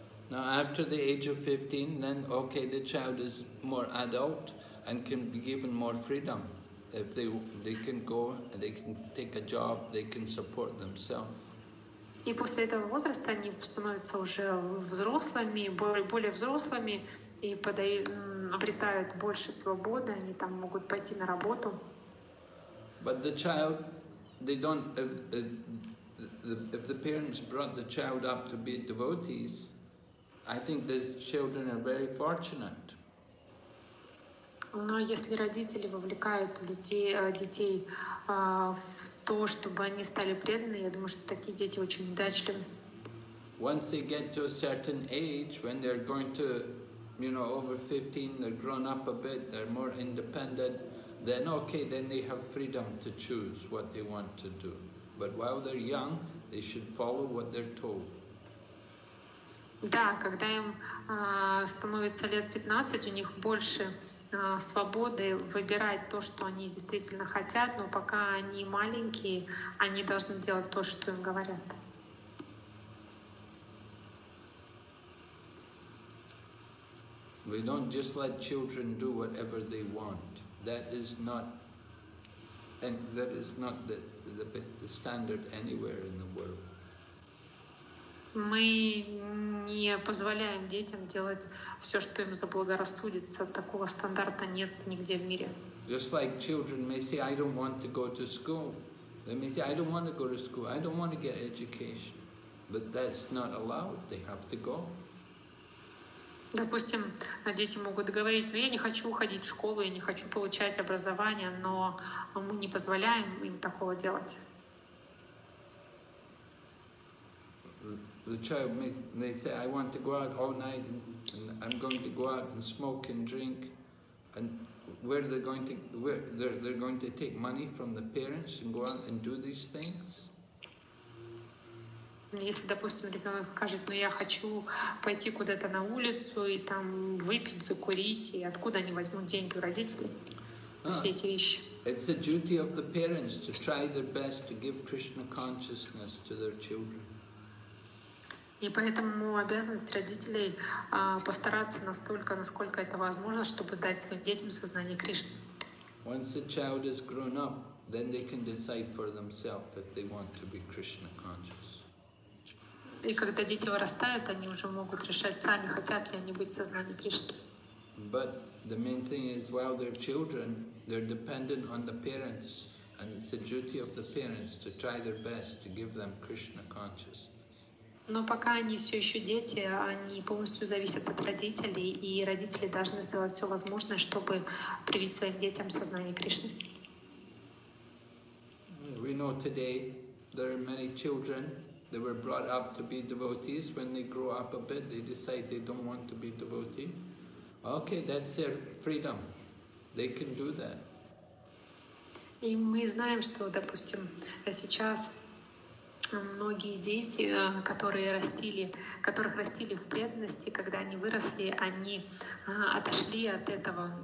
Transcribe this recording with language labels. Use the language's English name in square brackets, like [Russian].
[English] Now after the age of 15 then okay, the child is more adult and can be given more freedom. if they can go and they can take a job, they can support themselves. [Russian] И после этого возраста они становятся уже взрослыми, более взрослыми, и обретают больше свободы, они там могут пойти на работу. [English] But the child, they don't, if the parents brought the child up to be devotees, I think the children are very fortunate. [Russian] Но если родители вовлекают детей в то, чтобы они стали преданными, я думаю, что такие дети очень удачливы. [English] Once they get to a certain age, when they're going to, you know, over 15, they're grown up a bit, they're more independent, then okay, then they have freedom to choose what they want to do. But while they're young, they should follow what they're told. [Russian] Да, когда им становится лет 15, у них больше свободы выбирать то, что они действительно хотят, но пока они маленькие, они должны делать то, что им говорят. [English] We don't just let children do whatever they want. That is not, and that is not the standard anywhere in the world. [Russian] Мы не позволяем детям делать все, что им заблагорассудится. Такого стандарта нет нигде в мире. [English] Just like children may say, I don't want to go to school. They may say, I don't want to go to school. I don't want to get education. But that's not allowed. They have to go. [Russian] Допустим, дети могут говорить, ну я не хочу уходить в школу, я не хочу получать образование, но мы не позволяем им такого делать. [English] The child may say, I want to go out all night, and I'm going to go out and smoke and drink, and they're going to take money from the parents and go out and do these things? [Russian] Если, допустим, ребенок скажет, ну я хочу пойти куда-то на улицу и там выпить, закурить, и откуда они возьмут деньги у родителей, все эти вещи. [English] It's the duty of the parents to try their best to give Krishna consciousness to their children. [Russian] И поэтому обязанность родителей постараться настолько, насколько это возможно, чтобы дать своим детям сознание Кришны. [English] Once the child is grown up, then they can decide for themselves if they want to be Krishna conscious. [Russian] И когда дети вырастают, они уже могут решать сами, хотят ли они быть сознанием Кришны. [English] But the main thing is, while they're children, they're dependent on the parents, and it's the duty of the parents to try their best to give them Krishna consciousness. [Russian] Но пока они все еще дети, они полностью зависят от родителей, и родители должны сделать все возможное, чтобы привить своим детям сознание Кришны. [English] We know today there are many children. They were brought up to be devotees. When they grow up a bit, they decide they don't want to be devotee. Okay, that's their freedom. They can do that. [Russian] И мы знаем, что, допустим, сейчас многие дети, которых растили в преданности, когда они выросли, они отошли от этого.